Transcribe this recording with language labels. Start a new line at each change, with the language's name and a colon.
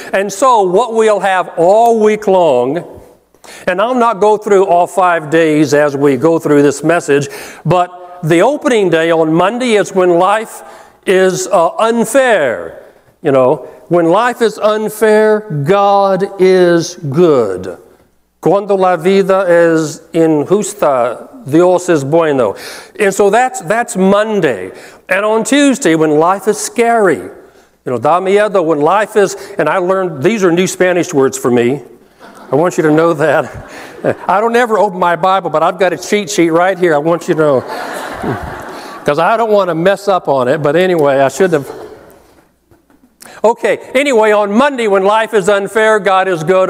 English: And so what we'll have all week long, and I'll not go through all 5 days as we go through this message, but the opening day on Monday is when life is unfair. You know, when life is unfair, God is good.
Spanish: Cuando la vida es injusta, Dios es bueno.
English: And so that's Monday. And on Tuesday, when life is scary, you know,
Spanish: da miedo,
English: when life is, and I learned, these are new Spanish words for me. I want you to know that. I don't ever open my Bible, but I've got a cheat sheet right here. I want you to know. Because I don't want to mess up on it. But anyway, I shouldn't have. Okay, anyway, on Monday when life is unfair, God is good.